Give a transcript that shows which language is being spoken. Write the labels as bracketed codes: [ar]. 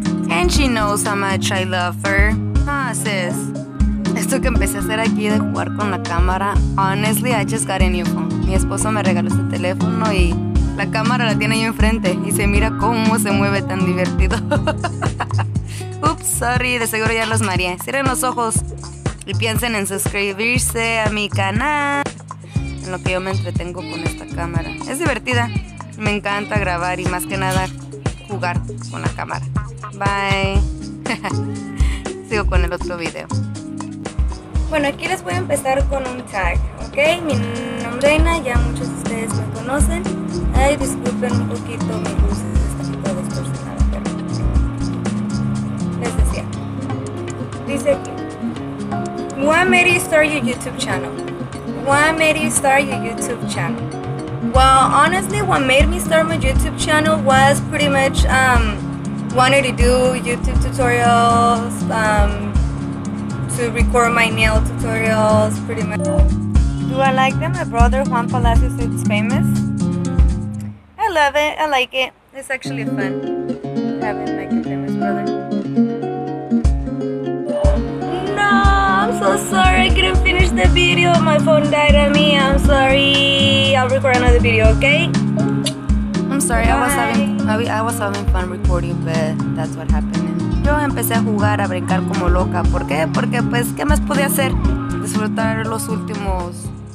[en] And she knows how much I love her. Ah, sis. [es] Esto que empecé a hacer aquí de jugar con la cámara, [en] honestly, I just got a new phone. [es] Mi esposo me regaló este teléfono y la cámara la tiene ahí enfrente y se mira cómo se mueve tan divertido. [en] Oops, sorry, [es] de seguro ya los mareé. Cierren los ojos y piensen en suscribirse a mi canal. En lo que yo me entretengo con esta cámara. Es divertida. Me encanta grabar y más que nada jugar con la cámara. Bye. Sigo con el otro video. Bueno, aquí les voy a empezar con un tag, ¿ok? Mi nombre es Reina, ya muchos de ustedes me conocen. Ay, disculpen un poquito mi luz, está un poco distorsionada, pero les decía. Dice aquí: [en] What made you start your YouTube channel? What made you start your YouTube channel? Well, honestly, what made me start my YouTube channel was pretty much wanted to do YouTube tutorials, to record my nail tutorials, pretty much. Do I like them? My brother Juan Palacios is famous. I love it. I like it. It's actually fun having like a famous brother. No, I'm so sorry. I couldn't finish the video. My phone died on me. I'm sorry. I'll record another video, okay? Sorry, I was having fun recording, but that's what happened. [es] Yo empecé a jugar, a brincar como loca. ¿Por qué? Porque, pues, ¿qué más podía hacer? Disfrutar los últimos